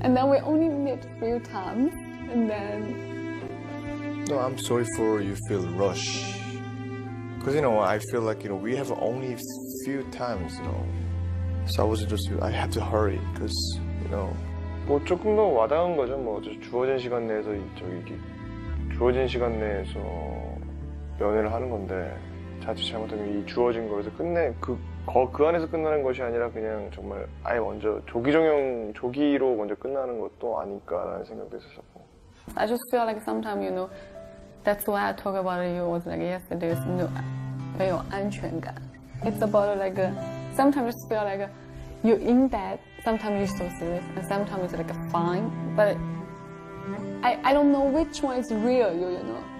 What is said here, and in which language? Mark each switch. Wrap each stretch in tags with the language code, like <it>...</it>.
<en>And then we only meet a few times, and then... No, I'm sorry for you feel rushed. Because, you know, I feel like, you know, we have only a few times, you know? So I was just, I had to hurry, because, you know.</en> <ko>뭐 조금 더 와닿은 거죠. 뭐 주어진 시간 내에서 저기 주어진 시간 내에서 면회를 하는 건데 자칫 잘못하면 이 주어진 거에서 끝내 그 안에서 끝나는 것이 아니라 그냥 정말 아예 먼저 조기로 먼저 끝나는 것도 아닐까라는 생각도 있었고.</ko> <en>I just feel like sometimes you know that's why I talk about you was like yesterday. No,</en> <zh>没有安全感.</zh> <en>It's about like sometimes just feel like you're in bed. Sometimes you're so serious, and sometimes it's like fine. But I don't know which one is real, you know?</en>